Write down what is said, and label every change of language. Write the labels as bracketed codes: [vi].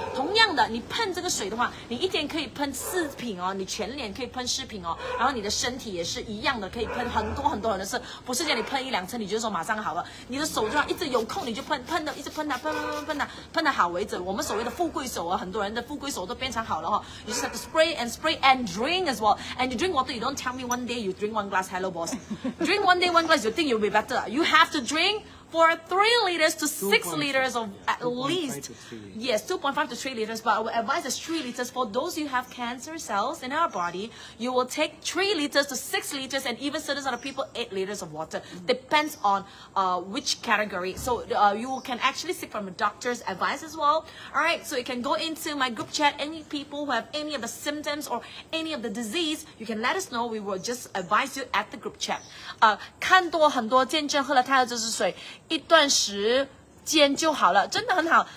[zh] 同样的，你喷这个水的话，你一天可以喷4瓶哦，你全脸可以喷4瓶哦，然后你的身体也是一样的，可以喷很多很多人的事，不是叫你喷一两次你就说马上好了，你的手就要一直有空你就喷，喷的一直喷它、啊，喷喷喷喷的、啊，喷的好为止。我们所谓的富贵手啊，很多人的富贵手都变成好了哈、哦。 [en] You just have to spray and spray and drink as well, and you drink water. You don't tell me one day you drink one glass, hello boss. Drink one day one glass, you think you'll be better. You have to drink for 3 liters to 6 liters of at least, yes, 2.5 to 3 liters, but our advice is 3 liters for those who have cancer cells in our body. You will take 3 liters to 6 liters and even certain other people 8 liters of water, depends on which category. So you can actually seek from a doctor's advice as well. All right, so you can go into my group chat. Any people who have any of the symptoms or any of the disease, you can let us know. We will just advise you at the group chat. [zh] 看多很多见证喝了太赫兹水一段时间就好了，真的很好。